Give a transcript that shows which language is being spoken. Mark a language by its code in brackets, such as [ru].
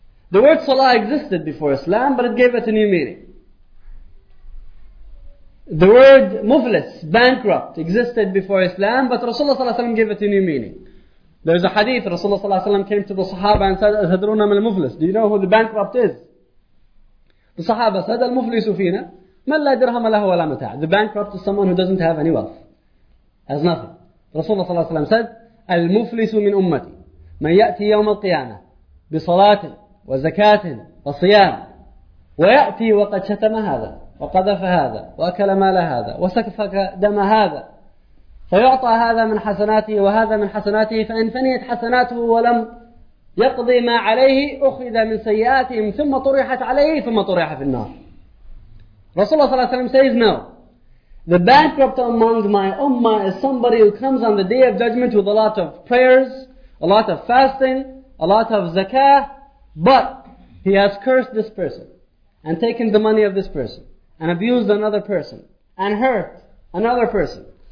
[en] The word Salah existed before Islam, but it gave it a new meaning. The word Muflis, bankrupt, existed before Islam, but Rasulullah ﷺ gave it a new meaning. There's a hadith, Rasulullah ﷺ came to the Sahaba and said, [ar] أَتَدْرُونَ مَا الْمُفْلِسِ. [en] Do you know who the bankrupt is? The Sahaba said, [ar] الْمُفْلِسُ فِينَا مَنْ لَا دِرْهَمَ لَهُ وَلَا مَتَعَ. [en] The bankrupt is someone who doesn't have any wealth, has nothing. [ar] Rasulullah ﷺ [en] said, [ar] الْمُفْلِسُ مِنْ أُمَّتِي مَنْ يَأْتِي يَوْمَ الْقِيَامَةِ بِصَلَاةٍ وَزَكَاةٍ وَصِيَامٍ وَيَأْتِي وَقَدْ شَتَمَ هَذَا وَقَذَفَ هَذَا وَأَكَلَ مَالَ هَذَا وَسَكَفَ دَمَ هَذَا فيعطى هذا من حسناته وهذا من حسناته فإن فنيت حسناته ولم يقضي ما عليه أخذ من سيئاتهم ثم طرحت عليه ثم طرح في النار. [en] Rasulullah صلى الله عليه وسلم says, no, the bankrupt among my ummah is somebody who comes on the day of judgment with a lot of prayers, a lot of fasting, a lot of zakah, but he has cursed this person and taken the money of this person and abused another person and hurt another person.